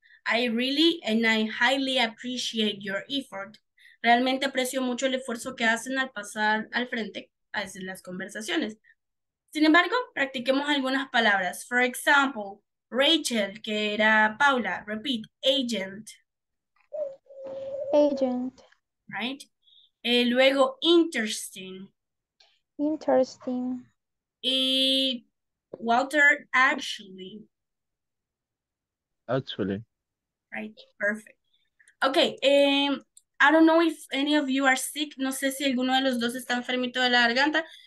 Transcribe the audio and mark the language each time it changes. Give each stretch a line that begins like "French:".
English: I really and I highly appreciate your effort.
Spanish: Realmente aprecio mucho el esfuerzo que hacen al pasar al frente a las conversaciones. Sin embargo, practiquemos algunas palabras.
English: For example,
Spanish: Rachel, que era Paula, repeat, agent.
English: Agent. Right. Luego, interesting. Interesting.
Spanish: Y Walter, actually.
English: Actually. Right, perfect. Okay, I don't know if any of you are sick.
Spanish: No sé si alguno de los dos está enfermito de la garganta.